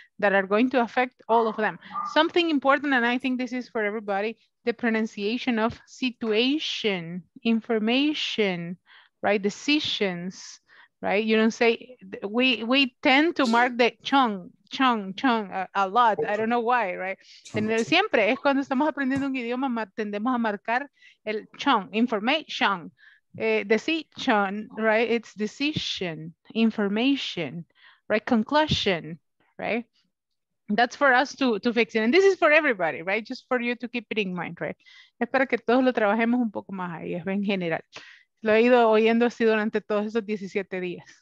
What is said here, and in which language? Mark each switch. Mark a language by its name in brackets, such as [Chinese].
[English] That are going to affect all of them. Something important, and I think this is for everybody, the pronunciation of situation, information, right? Decisions, right? You don't say, we tend to mark the chong a lot. I don't know why, right? [Spanish] Siempre es cuando estamos aprendiendo un idioma, tendemos a marcar el chong, information. [English] Decision, right? It's decision, information, right? Conclusion, right? That's for us to fix it. And this is for everybody, right? Just for you to keep it in mind, right? [Spanish] Es para que todos lo trabajemos un poco más ahí, en general. Lo he ido oyendo así durante todos esos 17 días.